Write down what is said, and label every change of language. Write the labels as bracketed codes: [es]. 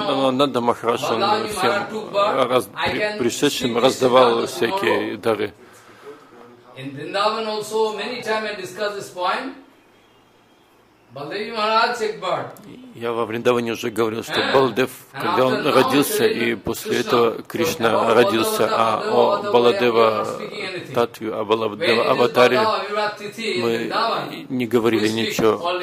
[ru] Нанда Махарадж всем пришедшим раздавал всякие дары. [en] In Vrindavan also many times I discussed this point. [hi] Baldev Maharaj ek bar. [ru] Я во Вриндаване уже говорил, что Баладев, когда он родился, и после этого Кришна родился, а о Баладева Татве, о Баладева Аватаре мы не говорили ничего.